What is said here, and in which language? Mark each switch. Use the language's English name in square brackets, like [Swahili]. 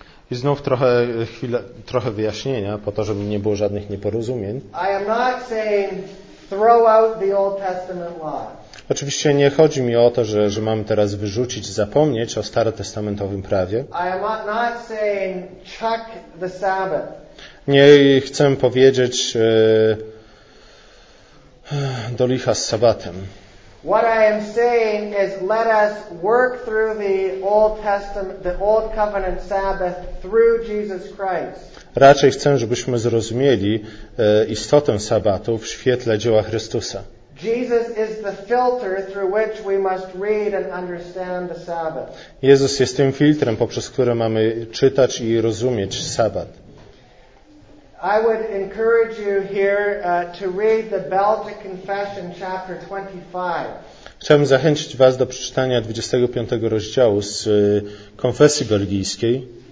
[Polish] I znów trochę wyjaśnienia, po to, żeby nie było żadnych nieporozumień. [English] I am not saying throw out the Old Testament law. [Polish] Oczywiście nie chodzi mi o to, że mamy teraz wyrzucić, zapomnieć o starotestamentowym prawie. [English] I am not saying chuck the Sabbath. [Polish] Nie chcę powiedzieć do licha z sabatem. [English] What I am saying is let us work through the Old Testament, the Old Covenant Sabbath through Jesus Christ. [Polish] Raczej chcę, żebyśmy zrozumieli istotę sabatu w świetle dzieła Chrystusa. [English] Jesus is the filter through which we must read and understand the Sabbath. [Polish] Jezus jest tym filtrem, poprzez który mamy czytać i rozumieć sabat. [English] I would encourage you here to read the Belgic Confession chapter 25. [Polish] Chciałbym zachęcić was do przeczytania 25 rozdziału z Konfesji Belgijskiej.